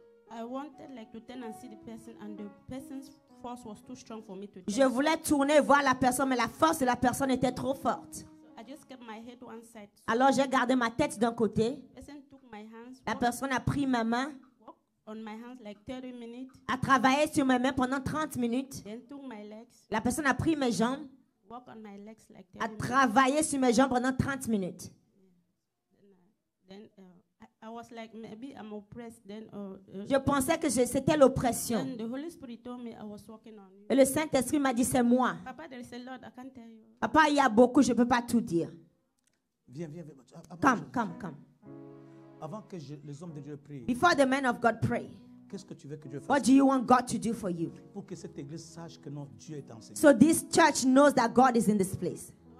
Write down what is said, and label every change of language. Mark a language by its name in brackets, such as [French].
[English] I wanted like to turn and see the person, and the person's force was too strong for me to [French] je voulais tourner voir la personne, mais la force de la personne était trop forte. [English] I just kept my head one side. [French] Alors j'ai gardé ma tête d'un côté. [English] Took my hands, [French] la personne a pris ma main. [English] On my hands like 30 minutes. [French] A travaillé sur mes mains pendant 30 minutes. [English] Then took my legs. [French] La personne a pris mes jambes. [English] Walk on my legs like [French] 30 a travaillé sur mes jambes pendant 30 minutes. Je pensais que c'était l'oppression. [English] Then the Holy Spirit told me I was walking on you. [French] Et le Saint-Esprit m'a dit, c'est moi. [English] Papa, there is a lot, I can't tell you. [French] Papa, il y a beaucoup, je ne peux pas tout dire. Viens. [English] Come. [French] Avant que les hommes de Dieu prient. [English] Before the men of God pray. [French] Qu'est-ce que tu veux que Dieu fasse? [English] What do you want God to do for you? [French] Pour que cette église sache que notre Dieu est en ce. [English] So this church knows that God is in this place.